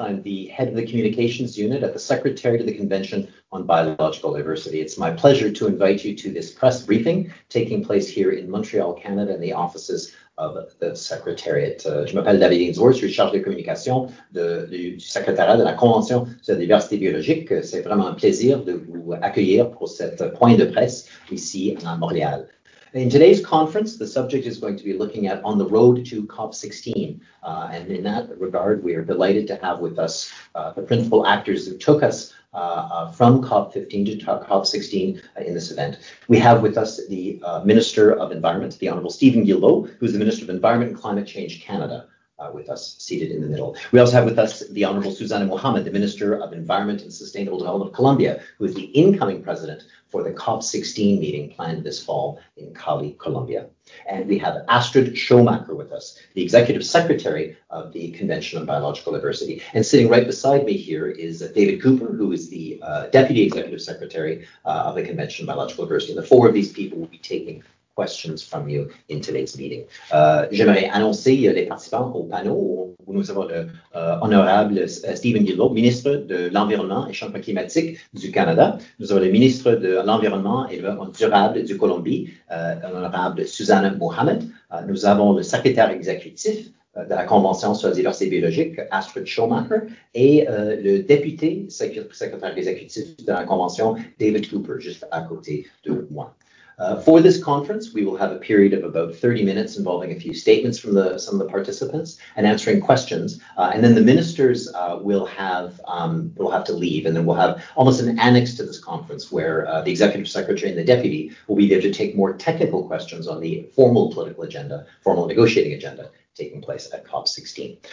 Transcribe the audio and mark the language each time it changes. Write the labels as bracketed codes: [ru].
[en] I'm the head of the Communications Unit at the Secretariat of the Convention on Biological Diversity. It's my pleasure to invite you to this press briefing taking place here in Montreal, Canada, in the offices of the Secretariat. [fr] Je m'appelle David Ainsworth, je suis chargé de communication du Secrétariat de la Convention sur la diversité biologique. C'est vraiment un plaisir de vous accueillir pour cette point de presse ici à Montréal. [en] In today's conference, the subject is going to be looking at on the road to COP16. And in that regard, we are delighted to have with us the principal actors who took us from COP15 to COP16 in this event. We have with us the Minister of Environment, the Honorable Stephen Guilbeault, who's the Minister of Environment and Climate Change Canada, with us seated in the middle. We also have with us the Honorable Susana Mohammed, the Minister of Environment and Sustainable Development of Colombia, who is the incoming president for the COP16 meeting planned this fall in Cali, Colombia. And we have Astrid Schomacher with us, the Executive Secretary of the Convention on Biological Diversity. And sitting right beside me here is David Cooper, who is the Deputy Executive Secretary of the Convention on Biological Diversity. And the four of these people will be taking questions from you in today's meeting. [fr] J'aimerais annoncer les participants au panel où nous avons le honorable Stephen Guilbeault, ministre de l'Environnement et Changement Climatique du Canada. Nous avons le ministre de l'Environnement et Développement Durable du Colombie, l'honorable Susana Mohammed. Nous avons le secrétaire exécutif de la Convention sur la diversité biologique, Astrid Schomacher, et le député secrétaire exécutif de la Convention, David Cooper, juste à côté de moi. [en] For this conference, we will have a period of about 30 minutes involving a few statements from some of the participants and answering questions. And then the ministers will have to leave, and then we'll have almost an annex to this conference where the executive secretary and the deputy will be there to take more technical questions on the formal political agenda, formal negotiating agenda taking place at COP16.